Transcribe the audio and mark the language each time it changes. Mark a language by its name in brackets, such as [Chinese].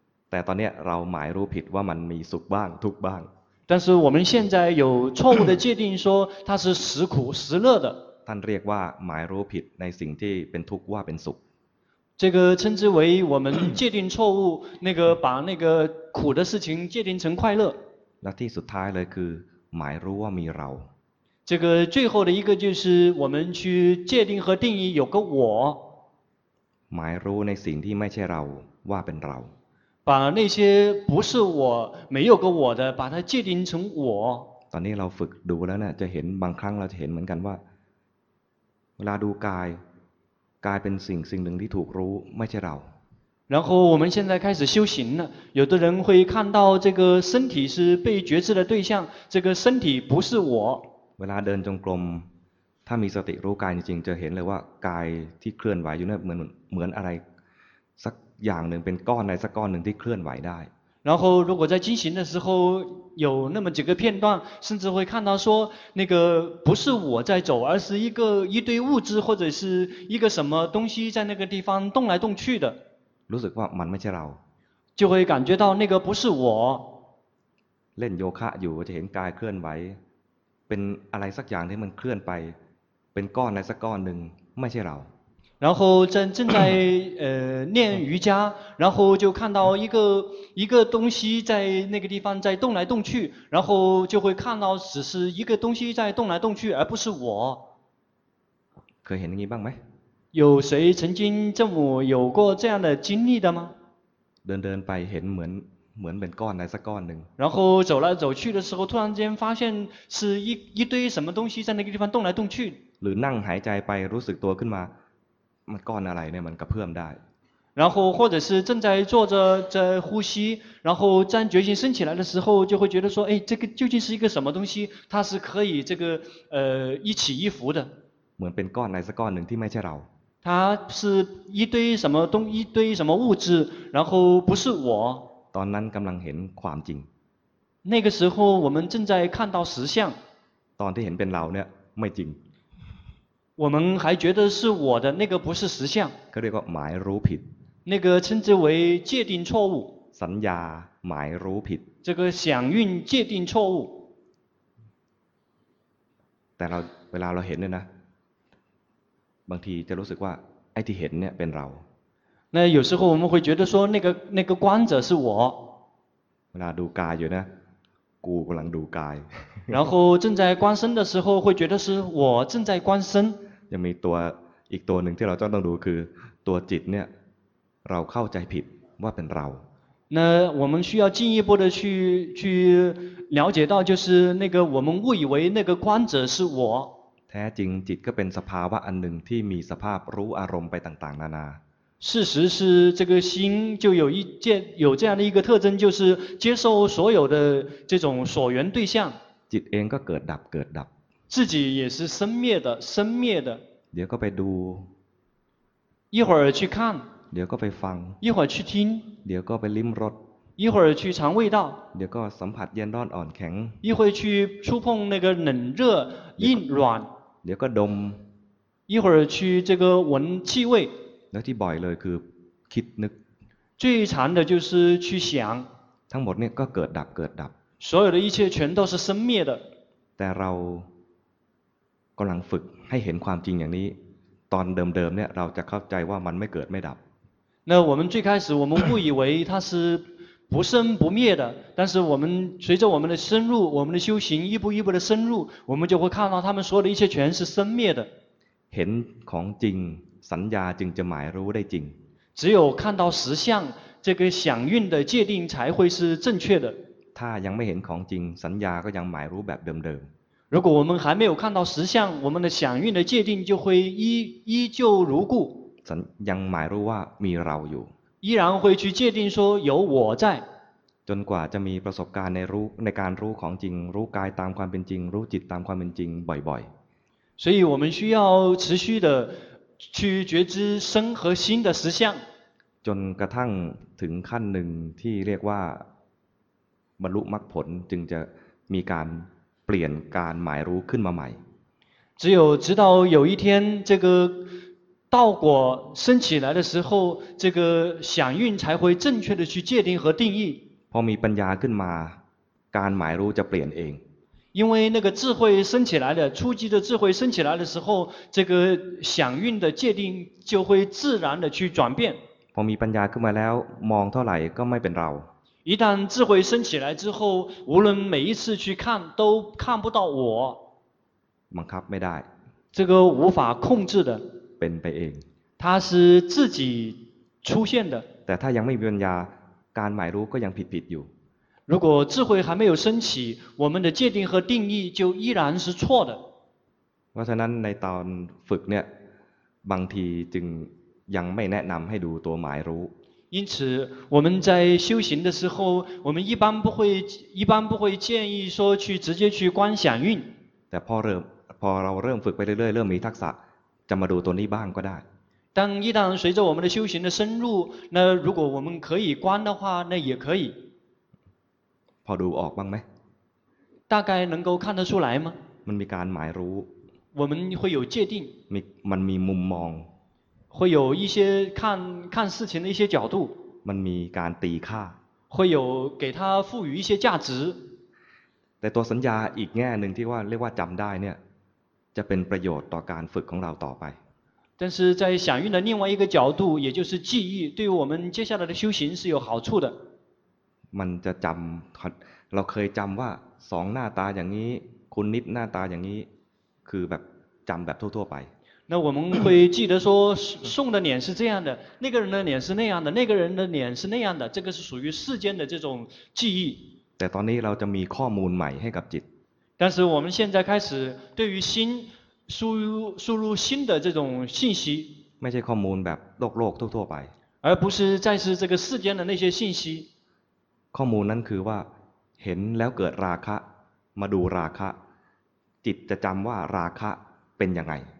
[Thai] แต่ตอนนี้เราหมายรู้ผิดว่ามันมีสุขบ้างทุกข์บ้าง [Chinese] 但是我们现在有错误的界定说它是时苦时乐的 [Thai] ท่านเรียกว่าหมายรู้ผิดในสิ่งที่เป็นทุกข์ว่าเป็นสุข [Chinese] 这个称之为我们界定错误那个把那个苦的事情界定成快乐 [Thai] และที่สุดท้ายเลยคือหมายรู้ว่ามีเรา [Chinese] 这个最后的一个就是我们去界定和定义有个我 [Thai] หมายรู้ในสิ่งที่ไม่ใช่เราว่าเป็นเรา [Chinese] 把那些不是我没有个我的把它界定成我 [Thai] ตอนนี้เราฝึกดูแล้วเนี่ยจะเห็นบางครั้งเราจะเห็นเหมือนกันว่าเวลาดูกายเป็นสิ่งหนึ่งที่ถูกรู้ไม่ใช่เรา [Chinese] 然后我们现在开始修行了有的人会看到这个身体是被觉知的对象这个身体不是我 [Thai] เวลาเดินจงกรมถ้ามีสติรู้กายจริงๆจะเห็นเลยว่ากายที่เคลื่อนไหวอยู่นั่นเหมือนอะไรสักอย่างหนึ่งเป็นก้อนอะไรสักก้อนหนึ่งที่เคลื่อนไหวได้ [Chinese] 然后如果在进行的时候有那么几个片段甚至会看到说那个不是我在走而是一堆物质或者是一个什么东西在那个地方动来动去的 [Thai] รู้สึกว่ามันไม่ใช่เรา [Chinese] 就会感觉到那个不是我 [Thai] เล่นโยคะอยู่จะเห็นกายเคลื่อนไหวเป็นอะไรสักอย่างที่มันเคลื่อนไปเป็นก้อนอะไรสักก้อนหนึ่งไม่ใช่เรา [Chinese] 然后正在练瑜伽然后就看到一个东西在那个地方在动来动去然后就会看到只是一个东西在动来动去而不是我可以 [Thai] เห็นงี้บ้างไหม [Chinese] 有谁曾经这么有过这样的经历的吗 [Thai] เดินไปเห็นเหมือนเป็นก้อนอะไรสักก้อนหนึ่ง [Chinese] 然后走来走去的时候突然间发现是一堆什么东西在那个地方动来动去 [Thai] หรือนั่งหายใจไปรู้สึกตัวขึ้นมามันก้อนอะไรเนี่ยมันกระเพื่อมได้ [Chinese] 然后或者是正在坐着在呼吸然后将决心升起来的时候就会觉得说哎这个究竟是一个什么东西它是可以这个一起一伏的 [Thai] เหมือนเป็นก้อนอะไรสักก้อนหนึ่งที่ไม่ใช่เรา [Chinese] 它是一堆什么物质然后不是我 [Thai] ตอนนั้นกำลังเห็นความจริง [Chinese] 那个时候我们正在看到实相 [Thai] ตอนที่เห็นเป็นเราเนี่ยไม่จริง [Chinese] 我们还觉得是我的那个不是实相 [Thai] เขาเรียกว่าหมายรู้ผิด [Chinese] 那个称之为界定错误 [Thai] สัญญาหมายรู้ผิด [Chinese] 这个想运界定错误 [Thai] แต่เวลาเราเห็นเนี่ยนะบางทีจะรู้สึกว่าไอ้ที่เห็นเนี่ยเป็นเรา [Chinese] 那有时候我们会觉得说那个观者是我 [Thai] เวลาดูกายอยู่นะกูกำลังดูกาย [Chinese] 然后正在观身的时候会觉得是我正在观身 [Thai] ยังมีตัวอีกตัวหนึ่งที่เราต้องดูคือตัวจิตเนี่ย เราเข้าใจผิดว่าเป็นเรา [Chinese] 那我们需要进一步的去了解到就是那个我们误以为那个观者是我 [Thai] แท้จริงจิตก็เป็นสภาวะอันหนึ่งที่มีสภาพรู้อารมณ์ไปต่างๆนานา [Chinese] 事实是这个心就有一件有这样的一个特征就是接受所有的这种所缘对象 [Thai] จิตเองก็เกิดดับเกิดดับ [Chinese] 自己也是生灭的生灭的 [Thai] เดี๋ยวก็ไปดู [Chinese] 一会儿去看 [Thai] เดี๋ยวก็ไปฟัง [Chinese] 一会儿去听 [Thai] เดี๋ยวก็ไปลิ้มรส [Chinese] 一会儿去尝味道 [Thai] เดี๋ยวก็สัมผัสเย็นร้อนอ่อนแข็ง [Chinese] 一会儿去触碰那个冷热硬软 [Thai] เดี๋ยวก็ดม [Chinese] 一会儿去这个闻气味 [Thai] แล้วที่บ่อยเลยคือคิดนึก [Chinese] 最常的就是去想 [Thai] ทั้งหมดเนี่ยก็เกิดดับเกิดดับ [Chinese] 所有的一切全都是生灭的 [Thai] แต่เรากำลังฝึกให้เห็นความจริงอย่างนี้ตอนเดิมๆเนี่ยเราจะเข้าใจว่ามันไม่เกิดไม่ดับ [Chinese] 那我们最开始我们误以为它是不生不灭的但是我们随着我们的深入我们的修行一步一步的深入我们就会看到他们所有的一切全是生灭的 [Thai] เห็นของจริงสัญญาจึงจะหมายรู้ได้จริง [Chinese] 只有看到实相这个想运的界定才会是正确的 [Thai] ถ้ายังไม่เห็นของจริงสัญญาก็ยังหมายรู้แบบเดิม [Chinese] ๆ如果我们还没有看到实相我们的想运的界定就会依旧如故 [Thai] ยังหมายรู้ว่ามีเราอยู่ [Chinese] 依然会去界定说有我在 [Thai] จนกว่าจะมีประสบการณ์ในรู้ในการรู้ของจริงรู้กายตามความเป็นจริงรู้จิตตามความเป็นจริงบ่อย [Chinese] ๆ所以我们需要持续的去觉知身和心的实相 [Thai] จนกระทั่งถึงขั้นหนึ่งที่เรียกว่าบรรลุมรรคผลจึงจะมีการเปลี่ยนการหมายรู้ขึ้นมาใหม่ [Chinese] 只有直到有一天这个道果升起来的时候这个想运才会正确的去界定和定义 [Thai] พอมีปัญญาขึ้นมาการหมายรู้จะเปลี่ยนเอง [Chinese] 因为那个智慧升起来的初级的智慧升起来的时候这个想运的界定就会自然的去转变 [Thai] พอมีปัญญาขึ้นมาแล้วมองเท่าไหร่ก็ไม่เป็นเรา [Chinese] 一旦智慧升起来之后无论每一次去看都看不到我 [Thai] บังคับไม่ได้ [Chinese] 这个无法控制的 [Thai] เป็นไปเอง [Chinese] 它是自己出现的 [Thai] แต่ถ้ายังไม่มีปัญญาการหมายรู้ก็ยังผิดๆอยู่ [Chinese] 如果智慧还没有升起我们的界定和定义就依然是错的 [Thai] เพราะฉะนั้นในตอนฝึกเนี่ยบางทีจึงยังไม่แนะนำให้ดูตัวหมายรู้ [Chinese] 因此我们在修行的时候我们一般不会建议说去直接去观想运 [Thai] แต่พอเราเริ่มฝึกไปเรื่อยๆเริ่มมีทักษะจะมาดูตัวนี้บ้างก็ได้ [Chinese] 当一旦随着我们的修行的深入那如果我们可以观的话那也可以 [Thai] พอดูออกบ้างไหม [Chinese] 大概能够看得出来吗 [Thai] มันมีการหมายรู้ [Chinese] 我们会有界定 [Thai] มันมีมุมมอง [Chinese] 会有一些看事情的一些角度 [Thai] มันมีการตีค่า [Chinese] 会有给它赋予一些价值 [Thai] แต่ตัวสัญญาอีกแง่หนึ่งที่ว่าเรียกว่าจำได้เนี่ยจะเป็นประโยชน์ต่อการฝึกของเราต่อไป [Chinese] 但是在想运的另外一个角度也就是记忆对我们接下来的修行是有好处的 [Thai] มันจะจำเราเคยจำว่าสองหน้าตาอย่างนี้คุณนิดหน้าตาอย่างนี้คือแบบจำแบบทั่วๆไป [Chinese] 那我们会记得说宋的脸是这样的那个人的脸是那样的那个人的脸是那样的这个是属于世间的这种记忆 [Thai] แต่ตอนนี้เราจะมีข้อมูลใหม่ให้กับจิต [Chinese] 但是我们现在开始对于心输入新的这种信息 [Thai] ไม่ใช่ข้อมูลแบบโลกทั่วๆไป [Chinese] 而不是再是这个世间的那些信息 [Thai] ข้อมูลนั้นคือว่าเห็นแล้วเกิดราคะมาดูราคะจิตจะจำว่าราคะเป็นยังไง